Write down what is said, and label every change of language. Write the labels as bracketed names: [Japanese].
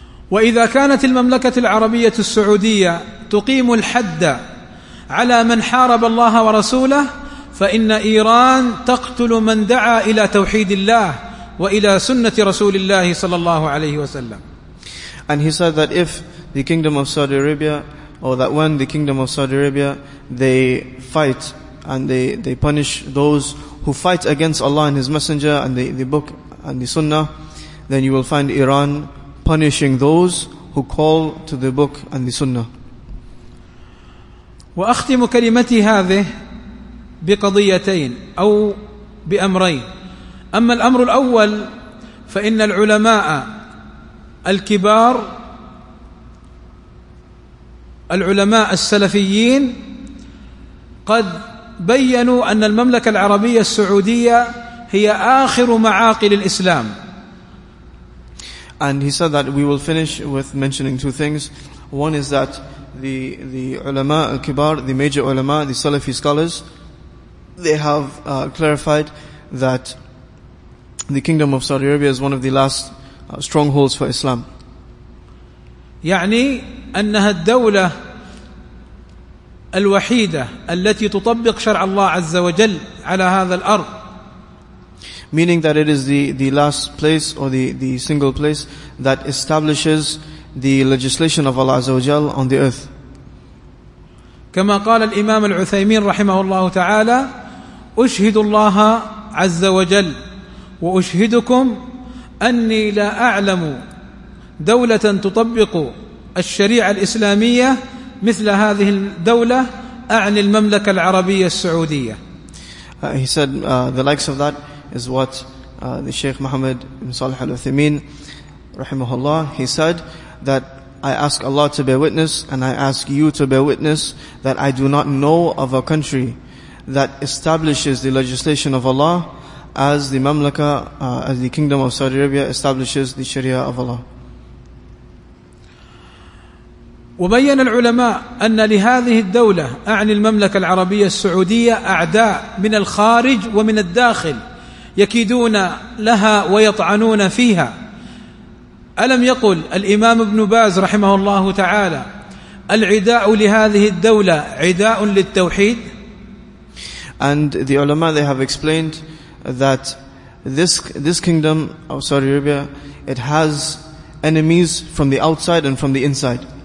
[Arabic] وإذا كانت المملكة العربية السعودية تقيم الحد على من حارب الله ورسوله فإن إيران تقتل من دعا إلى توحيد الله وإلى سنة رسول الله صلى الله عليه وسلم. [English] And he said that if the kingdom of Saudi Arabia, or that when the kingdom of Saudi Arabia, they fight and they punish those who fight against Allah and His Messenger and the book and the Sunnah, then you will find Iran punishing those who call to the book and the Sunnah. [Arabic] وأختم كلمتي هذه بقضيتين أو بأمرين. أما الأمر الأول فإن العلماء الكبار العلماء السلفيين قد بيّنوا أن المملكة العربية السعودية هي آخر معاقل الإسلام. [English] And he said that we will finish with mentioning two things. One is that the ulama al-kibar, the major ulama, the Salafi scholars, they have clarified that the kingdom of Saudi Arabia is one of the last strongholds for Islam. [Arabic] يعني أنها الدولة الوحيدة التي تطبق شرع الله عز وجل على هذا الأرض. [English] Meaning that it is the last place or the single place that establishes the legislation of Allah Azza wa Jal on the earth. [Arabic] كما قال الإمام العثيمين رحمه الله تعالى أشهد الله عز وجل وأشهدكم أني لا أعلم دولة تطبق الشريعة الإسلامية مثل هذه الدولة أعني المملكة العربية السعودية. [English] He said the likes of that is what the Sheikh Muhammad bin Salih al-Uthaymeen rahimahullah, he said that I ask Allah to bear witness and I ask you to bear witness that I do not know of a country that establishes the legislation of Allah as the mamlaka, as the kingdom of Saudi Arabia establishes the sharia of Allah. [Arabic] وبين العلماء أن لهذه الدولة أعني المملكة العربية السعودية أعداء من الخارج ومن الداخل يكيدون لها ويطعنون فيها. ألم يقل الإمام ابن باز رحمه الله تعالى العداء لهذه الدولة عداء للتوحيد؟ [English] And the ulama, they have explained that this kingdom of Saudi Arabia, it has enemies from the outside and from the inside.